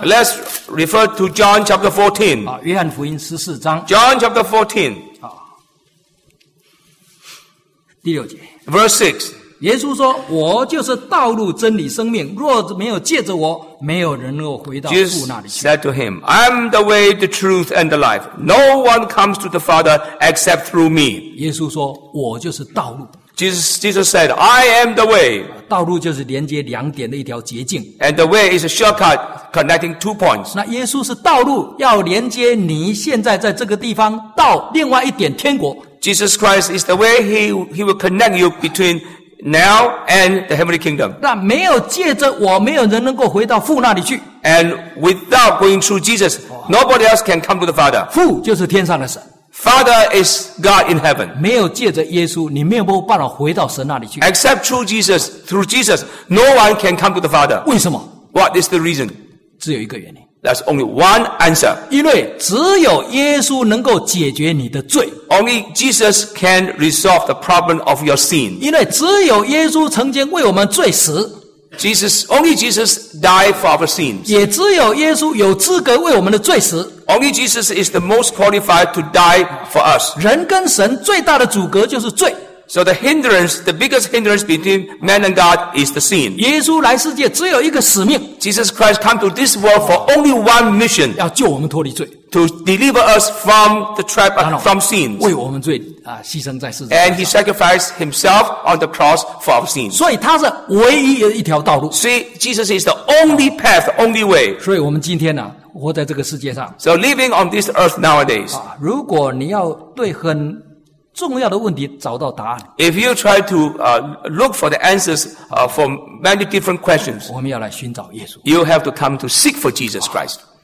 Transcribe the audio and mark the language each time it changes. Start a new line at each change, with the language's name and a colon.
English: Let's refer to John chapter 14.
Chinese: 约翰福音14章。
English: John chapter 14.
Chinese: 第六节。
English: Verse 6.
Chinese: 耶稣说，我就是道路、真理、生命，若没有借着我，没有人能够回到父那里去。
English: Jesus said to him, I am the way, the truth, and the life. No one comes to the Father except through me.
Chinese: 耶稣说，我就是道路。
English: Jesus said, I am the way.
Chinese: 道路就是连接两点的一条捷径。
English: And the way is a shortcut connecting two points.
Chinese: 那耶稣是道路，要连接你现在在这个地方到另外一点天国。
English: Jesus Christ is the way, he will connect you between now and the heavenly kingdom.
Chinese: 那没有借着我，没有人能够回到父那里去。
English: And without going through Jesus, nobody else can come to the Father.
Chinese: 父就是天上的神。
English: Father is God in heaven.
Chinese: 没有借着耶稣，你没有办法回到神那里去。
English: Except through Jesus, through Jesus, no one can come to the Father.
Chinese: 为什么？
English: What is the reason?
Chinese: 只有一个原因。
English: That's only one answer.
Chinese: 因为只有耶稣能够解决你的罪。
English: Only Jesus can resolve the problem of your sin.
Chinese: 因为只有耶稣曾经为我们罪死。
English: Jesus, only Jesus died for our sins.
Chinese: 也只有耶稣有资格为我们的罪死。
English: Only Jesus is the most qualified to die for us.
Chinese: 人跟神最大的阻隔就是罪。
English: So the hindrance, the biggest hindrance between man and God is the sin.
Chinese: 耶稣来世界只有一个使命。
English: Jesus Christ came to this world for only one mission.
Chinese: 要救我们脱离罪。
English: To deliver us from the trap, from sins.
Chinese: 为我们罪啊，牺牲在世上。
English: And he sacrificed himself on the cross for our sins.
Chinese: 所以他是唯一的一条道路。
English: See, Jesus is the only path, the only way.
Chinese: 所以我们今天呢、啊，活在这个世界上。
English: So living on this earth nowadays.
Chinese: 啊，如果你要对很重要的问题找到答案。
English: If you try to look for the answers for many different questions,
Chinese: 我们要来寻找耶稣。
English: You have to come to seek for Jesus Christ.